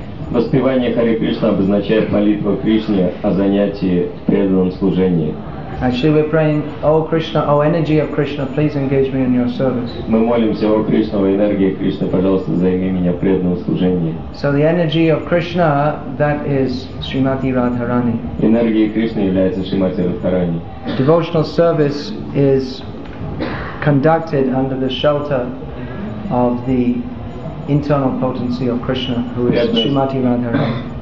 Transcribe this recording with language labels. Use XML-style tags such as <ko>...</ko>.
<ru>Воспевание Hare Krishna обозначает молитву Кришне о занятии в преданном служении.</ru> <en>Actually, we're praying, O Krishna, O energy of Krishna, please engage me in your service.</en> <ru>Мы молимся, о Кришна, о энергии Кришны, пожалуйста, займи меня в преданном служении.</ru> <en>So the energy of Krishna, that is Srimati Radharani.</en> <ru>Энергия Кришны является Шримати Радхарани.</ru> <en>Devotional service is conducted under the shelter of the internal potency of Krishna, who is Srimati Radharani.</en>